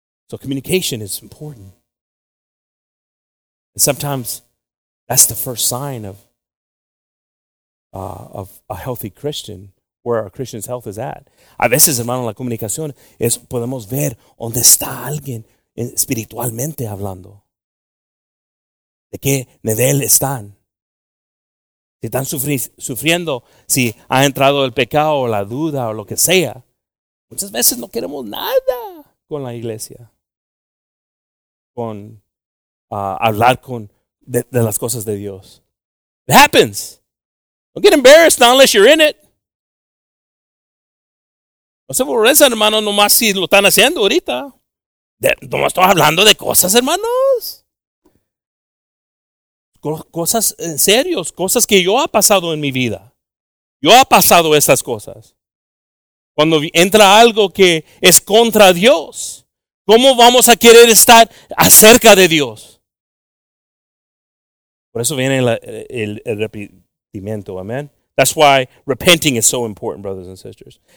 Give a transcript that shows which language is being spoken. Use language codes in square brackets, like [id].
[en] So communication is important. And sometimes that's the first sign of a healthy Christian, where a Christian's health is at. [es] A veces, hermano, la comunicación es podemos ver dónde está alguien espiritualmente hablando. ¿De qué nivel están? Si están sufriendo, si ha entrado el pecado o la duda o lo que sea. Muchas veces no queremos nada con la iglesia. Con hablar con de las cosas de Dios. [en] It happens. Don't get embarrassed not unless you're in it. [es] No se aborrezcan, hermano, nomás si lo están haciendo ahorita. ¿Nomás estamos hablando de cosas, hermanos? Cosas en serio, cosas que yo he pasado en mi vida. Yo he pasado esas cosas. Cuando entra algo que es contra Dios, ¿cómo vamos a querer estar acerca de Dios? Por eso viene el arrepentimiento, amén. [en] That's why repenting is so important, brothers and sisters.